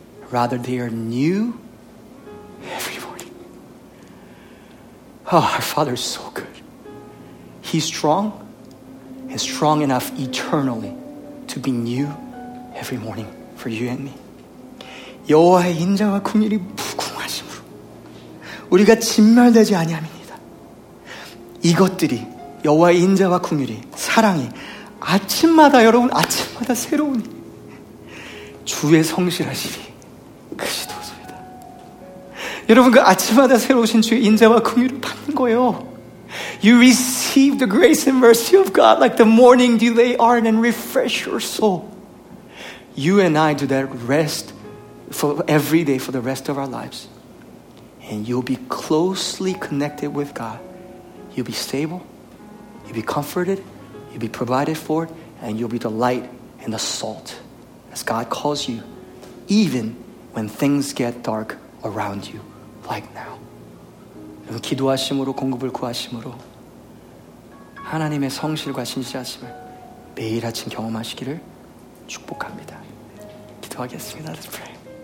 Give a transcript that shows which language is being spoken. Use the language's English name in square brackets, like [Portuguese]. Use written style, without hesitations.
[English] Rather, they are new every morning. Oh, our Father is so good. He's strong and strong enough eternally to be new every morning for you and me. [Korean] 여호와의 인자와 긍휼이 무궁하심으로 우리가 진멸되지 아니함이니다. 이것들이 여호와의 인자와 긍휼이 사랑이 아침마다 여러분 아침마다 새로우니 주의 성실하심이 크시도소이다. 여러분 그 아침마다 새로우신 주의 인자와 긍휼을 받는 거예요. [English] You receive the grace and mercy of God like the morning dew they are and refresh your soul. You and I do that rest for every day for the rest of our lives. And you'll be closely connected with God. You'll be stable. You'll be comforted. You'll be provided for. And you'll be the light and the salt as God calls you, even when things get dark around you like now. [Korean] 기도하심으로 공급을 구하심으로 하나님의 성실과 진실하심을 매일 아침 경험하시기를 축복합니다. 기도하겠습니다. [English] Let's pray.